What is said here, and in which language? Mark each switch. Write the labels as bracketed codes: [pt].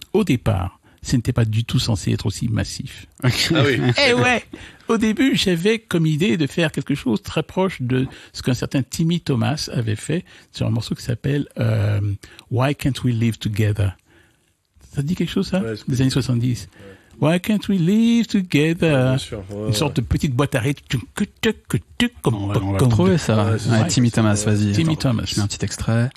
[fr] Au départ, ce n'était pas du tout censé être aussi massif. Ah oui. Eh ouais. Au début, j'avais comme idée de faire quelque chose très proche de ce qu'un certain Timmy Thomas avait fait sur un morceau qui s'appelle Why Can't We Live Together? Ça dit quelque chose, ça? Des années 70. Ouais. [en] Why can't we live together? [fr] Ouais, ouais, une sorte de petite boîte à rythme. On va trouver ça. Ouais, Timmy Thomas, vrai. Vas-y. Timmy Thomas. Je mets un petit extrait.